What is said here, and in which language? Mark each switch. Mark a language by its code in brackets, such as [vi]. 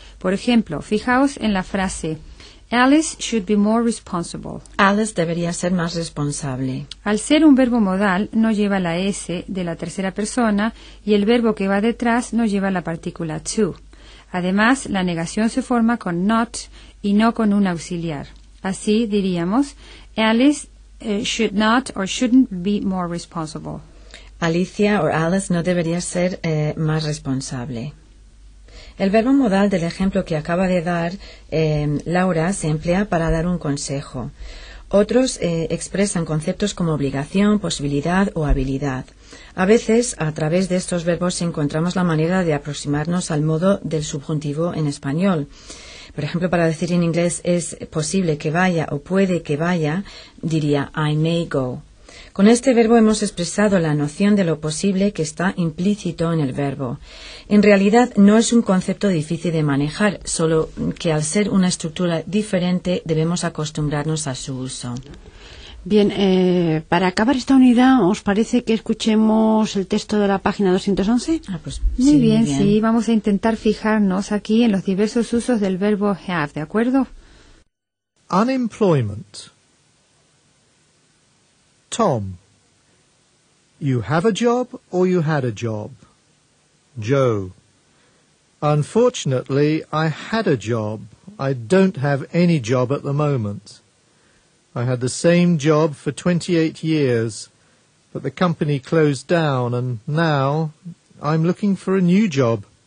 [es] Por ejemplo, fijaos en la frase [en] Alice should be more responsible. [es] Alice debería ser más responsable. Al ser un verbo modal, no lleva la S de la tercera persona y el verbo que va detrás no lleva la partícula to. Además, la negación se forma con not y no con un auxiliar. Así diríamos, [en] Alice should not or shouldn't be more responsible. [es] Alicia or Alice no debería ser más responsable. El verbo modal del ejemplo que acaba de dar Laura se emplea para dar un consejo. Otros expresan conceptos como obligación, posibilidad o habilidad. A veces, a través de estos verbos, encontramos la manera de aproximarnos al modo del subjuntivo en español. Por ejemplo, para decir en inglés es posible que vaya o puede que vaya, diría [en] I may go. [es] Con este verbo hemos expresado la noción de lo posible que está implícito en el verbo. En realidad no es un concepto difícil de manejar, solo que al ser una estructura diferente debemos acostumbrarnos a su uso. Bien, para acabar esta unidad, ¿os parece que escuchemos el texto de la página 211? Muy bien, vamos a intentar fijarnos aquí en los diversos usos del verbo have, ¿de acuerdo? [en] Unemployment. Tom, you have a job or you had a job? Joe, unfortunately, I had a job. I don't have any job at the moment. I had the same job for 28 years, but the company closed down and now I'm looking for a new job.